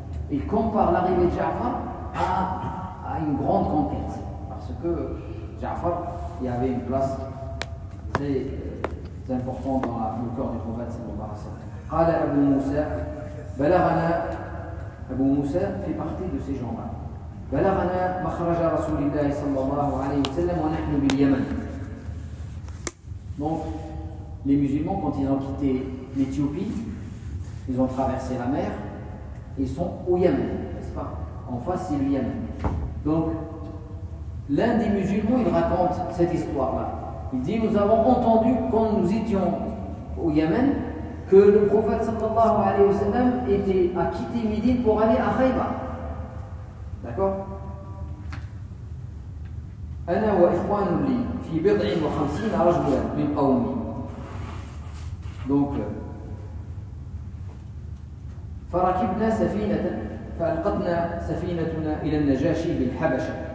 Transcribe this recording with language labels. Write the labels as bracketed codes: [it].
[fr] Il compare l'arrivée de Ja'far à une grande conquête. Parce que Ja'far, il y avait une place très importante dans le cœur du prophète sallallahu alayhi wa sallam. [ar] Qala Abu Moussa, balaghana, [fr] Abu Moussa fait partie de ces gens-là. [ar] بلغنا مخرج رسول الله صلى الله عليه وسلم ونحن باليمن. [fr] Donc les musulmans, quand ils ont quitté l'Éthiopie, ils ont traversé la mer, ils sont au Yémen, n'est-ce pas? En face, c'est le Yémen. Donc l'un des musulmans, il raconte cette histoire-là. Il dit: nous avons entendu quand nous étions au Yémen que le prophète sallallahu alayhi wa sallam a quitté Médine pour aller à Khaybar. D'accord. [ar] أنا وإخوان لي في بضع وخمسين رجلا من قومي. Donc, فركبنا سفينة فألقتنا سفينتنا إلى النجاشي بالحبشة.